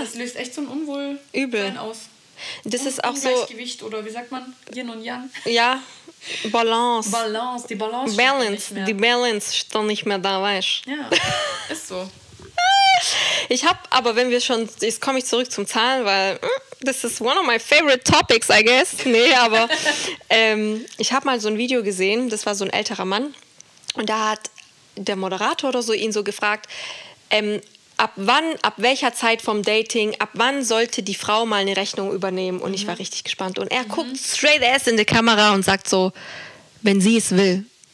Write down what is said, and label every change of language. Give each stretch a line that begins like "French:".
German: das löst echt so ein Unwohlsein aus. Das ist auch so. Ungleichgewicht oder wie sagt man? Yin und Yang. Ja, Balance. Balance, die Balance. Balance, nicht mehr. Die Balance stand nicht mehr da, weißt du? Ja, ist so. Ich habe aber, wenn wir schon. Jetzt komme ich zurück zum Zahlen, weil.
English: This is one of my favorite topics, I guess.
German: Nee, aber. ich habe mal so ein Video gesehen, das war so ein älterer Mann. Und da hat der Moderator oder so ihn so gefragt, ab welcher Zeit vom Dating, ab wann sollte die Frau mal eine Rechnung übernehmen? Und ich war richtig gespannt. Und er guckt
English: straight ass
German: in die Kamera und sagt so, wenn sie es will.